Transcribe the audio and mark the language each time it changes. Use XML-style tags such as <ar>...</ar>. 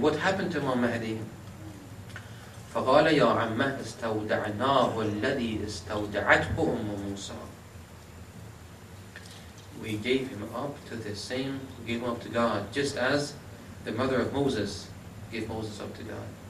<en>What happened to Imam Mahdi?</en> <ar>فقال يا عم استودعناه الذي استودعته أم موسى.</ar> <en>We gave him up to the same, we gave him up to God, just as the mother of Moses gave Moses up to God.</en>